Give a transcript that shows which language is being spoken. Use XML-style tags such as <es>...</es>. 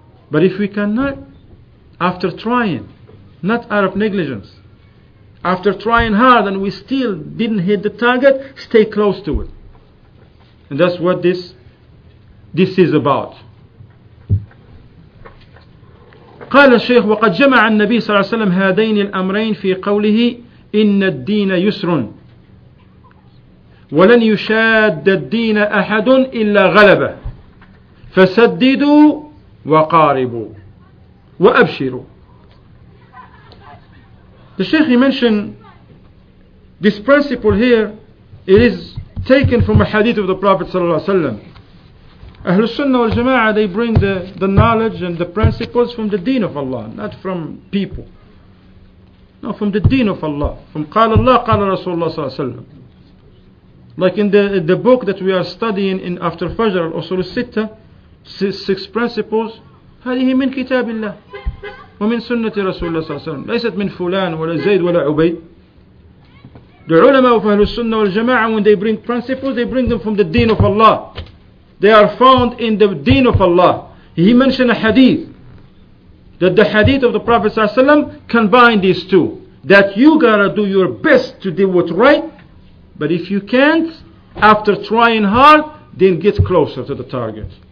<en>But if we cannot, after trying, not out of negligence, after trying hard and we still didn't hit the target, stay close to it. And that's what this is about.</en> <ar>قال الشيخ وقد جمع النبي صلى الله عليه وسلم هذين الأمرين في قوله إن الدين يسر ولن يشاد الدين أحد إلا غلبه فسددوا وقاربوا وأبشروا.</ar> <en>The Sheikh, he mentioned this principle here, it is taken from a hadith of the Prophet</en> <ar>صلى الله عليه وسلم.</ar> <en>Ahlul Sunnah wal Jama'ah, they bring the knowledge and the principles from the deen of Allah, not from people. No, from the deen of Allah.</en> <ar>From قال الله قال Rasulullah صلى الله عليه وسلم.</ar> <en>Like in the book that we are studying in After Fajr al-Usul al-Sitta, six principles,</en> <ar>هذه من كتاب الله ومن سنة رسول الله صلى الله عليه وسلم. ليست من فلان ولا زيد ولا عبيد.</ar> <en>The ulama of Ahlul Sunnah wal Jama'ah, when they bring principles, they bring them from the deen of Allah. They are found in the deen of Allah. He mentioned a hadith, that the hadith of the Prophet ﷺ combined these two. That you gotta do your best to do what's right, but if you can't, after trying hard, then get closer to the target.</en>